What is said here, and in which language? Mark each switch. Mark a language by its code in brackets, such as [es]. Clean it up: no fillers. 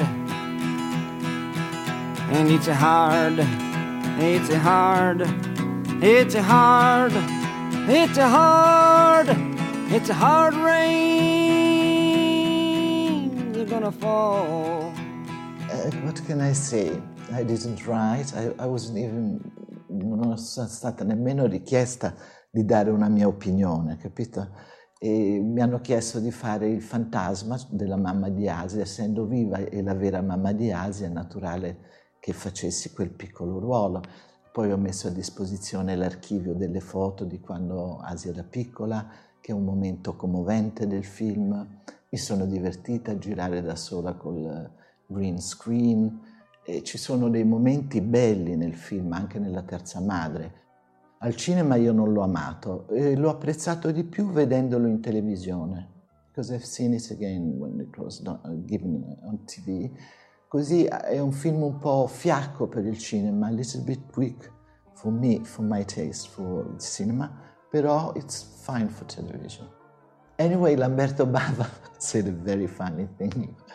[en] And it's a hard, it's a hard, it's a hard, it's a hard, it's a hard rain's gonna fall. What can I say? I didn't write, I wasn't even, [it] non sono stata nemmeno richiesta di dare una mia opinione, capito? E mi hanno chiesto di fare il fantasma della mamma di Asia, essendo viva e la vera mamma di Asia, è naturale che facessi quel piccolo ruolo. Poi ho messo a disposizione l'archivio delle foto di quando Asia era piccola, che è un momento commovente del film. Mi sono divertita a girare da sola col green screen. E ci sono dei momenti belli nel film, anche nella Terza Madre. Al cinema io non l'ho amato, e l'ho apprezzato di più vedendolo in televisione. [en] Because I've seen it again when it was given on TV. [it] Così è un film un po' fiacco per il cinema, [en] a little bit weak for me, for my taste, for the cinema. Però it's fine for television. Anyway, Lamberto Bava said a very funny thing.